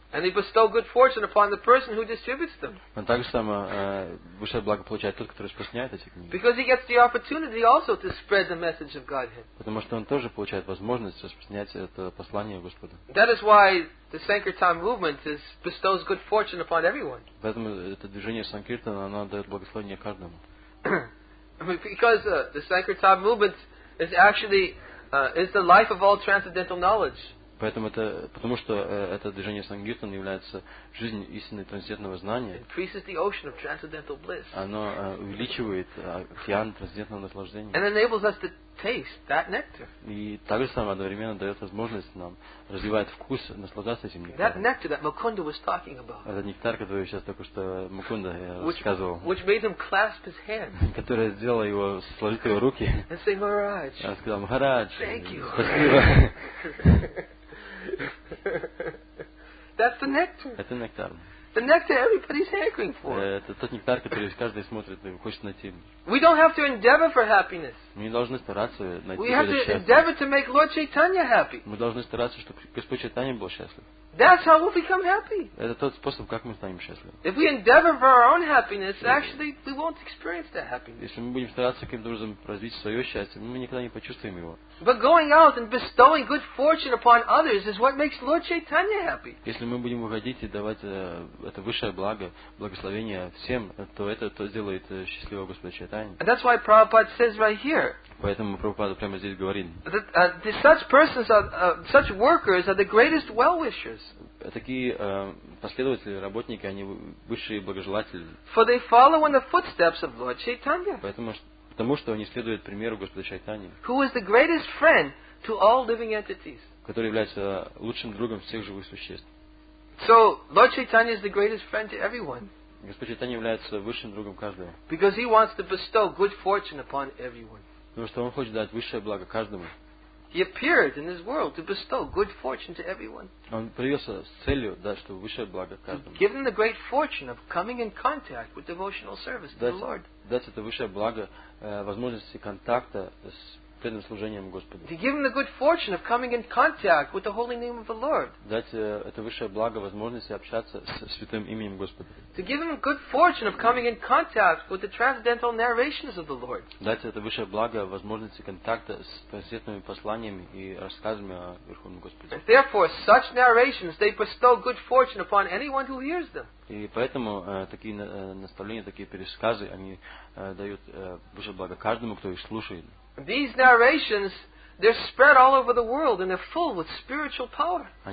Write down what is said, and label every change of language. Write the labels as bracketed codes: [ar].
[en] And they bestow good fortune upon the person who distributes them. [ru] Он также само высшее благо получает тот, который распространяет эти книги. [en] Because he gets the opportunity also to spread the message of Godhead. [ru] Потому что он тоже получает возможность распространять это послание Господа. [en] That is why the Sankirtan movement bestows good fortune upon everyone. [ru] Поэтому это движение Санкиртана, оно дает благословение каждому. [en] Because the Sankirtan movement is actually is the life of all transcendental knowledge. [ru] Поэтому это потому что это движение Сангиртан является жизнью истинного трансцендентного знания. [en] Increases the ocean of transcendental bliss. [ru] Оно увеличивает океан трансцендентного наслаждения. [en] And enables us to taste that nectar. [ru] И также само одновременно дает возможность нам развивает вкус наслаждаться этим нектаром. [en] That nectar that Mukunda was talking about. [ru] Этот нектар, который сейчас только что Мукунда рассказывал. [en] Which made him clasp his hands. [ru] Которая сделала его сложить его руки. [en] And say, Maharaj. [ru] Он сказал, Махарадж. [en] Thank you. [ru] Спасибо. [en] That's the nectar. [ru] Это нектар. [en] The nectar everybody's hankering for. [ru] Это тот нектар, который каждый смотрит и хочет найти. [en] We don't have to endeavor for happiness. [ru] Мы не должны стараться найти счастье. [en] We have to endeavor to make Lord Chaitanya happy. [ru] Мы должны стараться, чтобы Господь Чайтанья был счастлив. [en] That's how we'll become happy. [ru] Это тот способ, как мы станем счастливыми. [en] If we endeavor for our own happiness, actually we won't experience that happiness. [ru] Если мы будем стараться каким-то образом развить свое счастье, мы никогда не почувствуем его. [en] But going out and bestowing good fortune upon others is what makes Lord Chaitanya happy. [ru] Если мы будем выходить и давать это высшее благо, благословение всем, то это то сделает счастливого Господа Чайтанью. [en] And that's why Prabhupada says right here. [ru] Поэтому Прабхупада прямо здесь говорит. [en] Such persons are such workers are the greatest well-wishers. [ru] Такие последователи, работники, они высшие благожелатели. [en] For they follow in the footsteps of Lord Chaitanya. [ru] Потому что они следуют примеру Господа Чайтаньи. [en] Who is the greatest friend to all living entities? [ru] Который является лучшим другом всех живых существ. [en] So Lord Chaitanya is the greatest friend to everyone. [ru] Господь Чайтанья является высшим другом каждого. [en] Because he wants to bestow good fortune upon everyone. [ru] Потому что он хочет дать высшее благо каждому. [en] He appeared in this world to bestow good fortune to everyone. [ru] Он появился с целью, да, чтобы высшее благо каждому. [en] Give them the great fortune of coming in contact with devotional service to the Lord. [ru] Дать это высшее благо возможности контакта с преданным служением Господу. [en] To give them the good fortune of coming in contact with the holy name of the Lord. [ru] Дать это высшее благо возможности общаться с святым именем Господа. [en] To give them good fortune of coming in contact with the transcendental narrations of the Lord. [ru] Дать это высшее благо возможности контакта с трансцендентными посланиями и рассказами о Верховном Господе. [en] And therefore, such narrations, they bestow good fortune upon anyone who hears them. [ru] И поэтому такие наставления, такие пересказы, они дают высшее благо каждому, кто их слушает. [en] These narrations, they're spread all over the world and they're full with spiritual power.